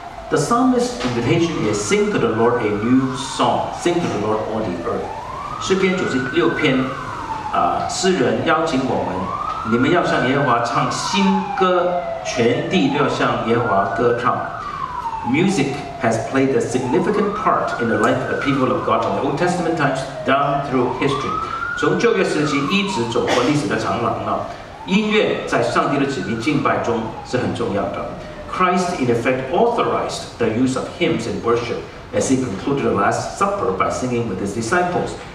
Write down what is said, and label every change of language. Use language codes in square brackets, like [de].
[en] The psalmist's invitation is sing to the Lord a new song, sing to the Lord all the earth. [zh] 诗篇96篇诗人邀请我们，你们要向耶和华唱新歌，全地都要向耶和华歌唱。 [en] Music has played a significant part in the life of the people of God from the Old Testament times down through history. [zh] 从旧约时期一直走过历史的长廊了。音乐在上帝的子民敬拜中是很重要的。 [en] Christ in effect authorized the use of hymns in worship as he concluded the Last Supper by singing with his disciples.